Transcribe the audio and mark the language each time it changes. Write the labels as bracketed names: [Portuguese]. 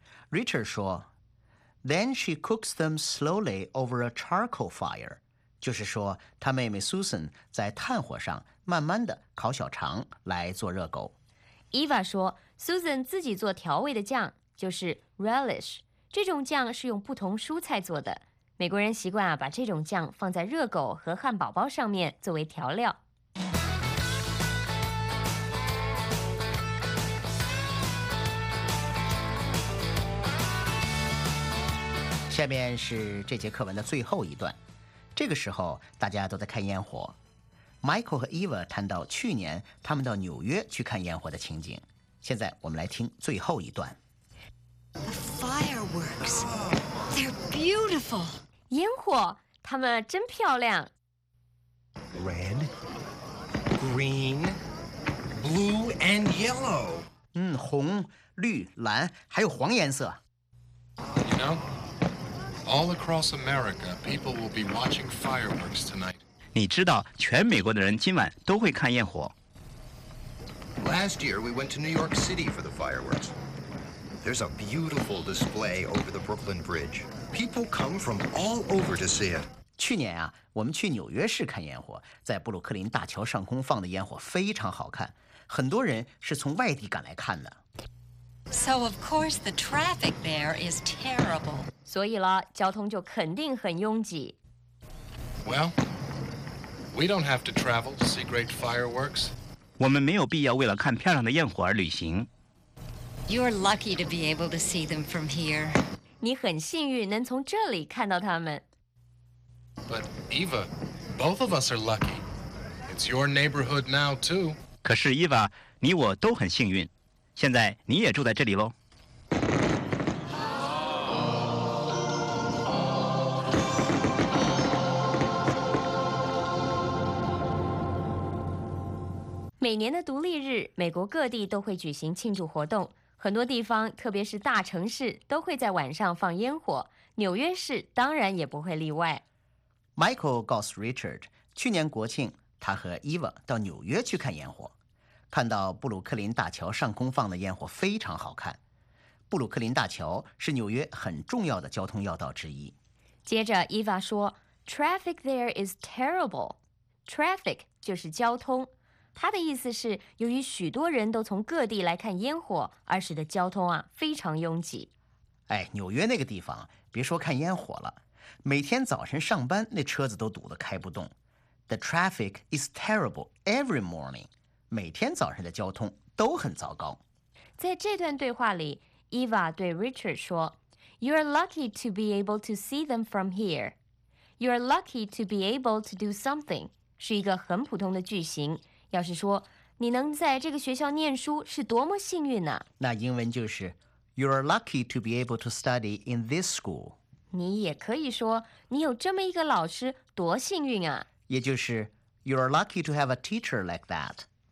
[English] Richard [Chinese] 说 [English] Then she cooks them slowly over a charcoal fire. [Chinese] 就是说她妹妹 Susan 在炭火上慢慢地烤小肠来做热狗。 Eva 说 Susan 自己做调味的酱，就是 relish。这种酱是用不同蔬菜做的，美国人习惯、把这种酱放在热狗和汉堡包上面作为调料。下面是这节课文的最后一段，这个时候大家都在看烟火。 Michael 和 Eva 谈到去年他们到纽约去看烟火的情景，现在我们来听最后一段。 [English] The fireworks, they're beautiful. [Chinese] 烟火，它们真漂亮。 [English] Red, green, blue and yellow. [Chinese] 红、绿、蓝，还有黄颜色。 [English] You know,All across America, people will be watching fireworks tonight. [Chinese] 你知道，全美国的人今晚都会看烟火。 [English] Last year, we went to New York City for the fireworks. There's a beautiful display over the Brooklyn Bridge. People come from all over to see it. [Chinese] 去年啊，我们去纽约市看烟火，在布鲁克林大桥上空放的烟火非常好看，很多人是从外地赶来看的。 [English] So of course the traffic there is terrible. [Chinese] 所以了，交通就肯定很拥挤。 [English] Well, we don't have to travel to see great fireworks. [Chinese] 我们没有必要为了看漂亮的焰火而旅行。 [English] You're lucky to be able to see them from here. [Chinese] 你很幸运能从这里看到它们。 [English] But Eva, both of us are lucky. It's your neighborhood now too. [Chinese] 可是 Eva, 你我都很幸运。现在你也住在这里喽。每年的独立日，美国各地都会举行庆祝活动，很多地方，特别是大城市，都会在晚上放烟火。纽约市当然也不会例外。 Michael 告诉 Richard， 去年国庆，他和 Eva 到纽约去看烟火。看到布鲁克林大桥上空放的烟火非常好看。布鲁克林大桥是纽约很重要的交通要道之一。接着伊娃说 [English] Traffic there is terrible. [Chinese] Traffic 就是交通，它的意思是由于许多人都从各地来看烟火而使得交通啊非常拥挤。哎，纽约那个地方别说看烟火了，每天早晨上班那车子都堵得开不动。 [English] The traffic is terrible every morning. [Chinese] 每天早上的交通都很糟糕。在这段对话里， [English] Eva 对 Richard 说 You're lucky to be able to see them from here. You're lucky to be able to do something [Chinese] 是一个很普通的句型，要是说你能在这个学校念书是多么幸运呢、那英文就是 [English] You're lucky to be able to study in this school. [Chinese] 你也可以说你有这么一个老师多幸运啊，也就是 [English] You're lucky to have a teacher like that.